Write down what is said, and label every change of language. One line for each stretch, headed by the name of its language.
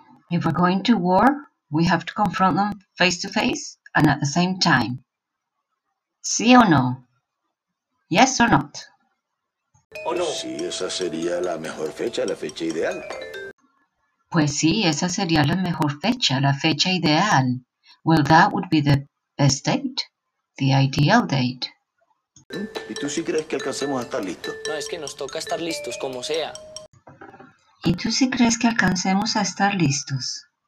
English: If we're going to war, we have to confront them face to face and at the same time.
Spanish: ¿Sí o no?
English: Yes or not?
Spanish: ¿O no? Sí, esa sería la mejor fecha, la fecha ideal. Pues sí, esa sería la mejor fecha, la fecha ideal.
English: Well, that would be the best date, the ideal date.
Spanish: ¿Y tú sí crees que alcancemos a estar listos? No, es que nos toca estar listos, como sea. ¿Y tú sí crees que alcancemos a estar listos?